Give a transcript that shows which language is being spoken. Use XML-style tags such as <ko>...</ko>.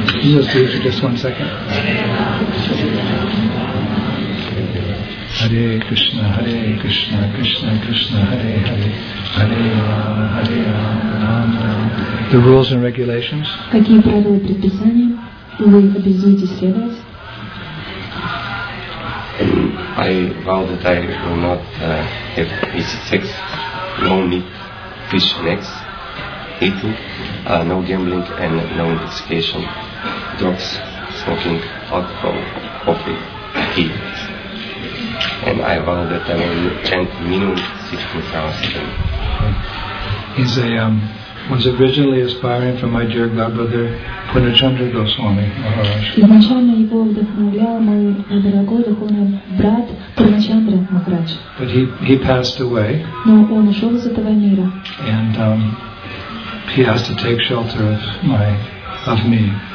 <en>Can you just do it for just one second?</en> <sa>Hare Krishna, Hare Krishna, Krishna Krishna, Hare Hare, Hare Rama, Hare Rama, Rama Rama.</sa> <en>The rules and regulations.</en> <ru>Какие правила и предписания вы обязуетесь следовать?</ru> <en>I vow that I will not have illicit sex, no meat, fish, eggs, eating, no gambling, and no intoxication, drugs, smoking, alcohol, coffee, tea. And I vow that I will chant minimum 16 hours a day. He's was originally aspiring from my dear godbrother Punachandra Goswami Maharaj.</en> <ru>Изначально его вдохновлял мой дорогой духовный брат Пуначандра Махарадж.</ru> <en>But he passed away.</en> <ru>Но он ушел из этого мира.</ru> <en>And he has to take shelter of me.</en>